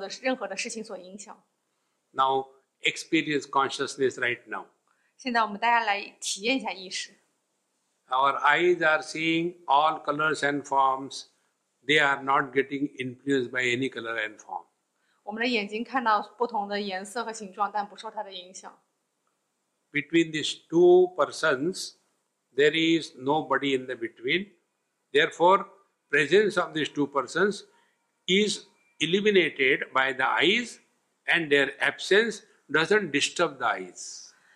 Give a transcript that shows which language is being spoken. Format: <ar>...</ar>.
<zh>那意识就是我们接受所有的事情，不反对任何的事情，然后也不被所有的任何的事情所影响。</zh> <en>Now experience consciousness right now.</en> <zh>现在我们大家来体验一下意识。</zh> <en>Our eyes are seeing all colors and forms. They are not getting influenced by any color and form.</en> <zh>我们的眼睛看到不同的颜色和形状，但不受它的影响。</zh> <en>Between these two persons, there is nobody in the between. Therefore, presence of these two persons is eliminated by the eyes, and their absence doesn't disturb the eyes.</en>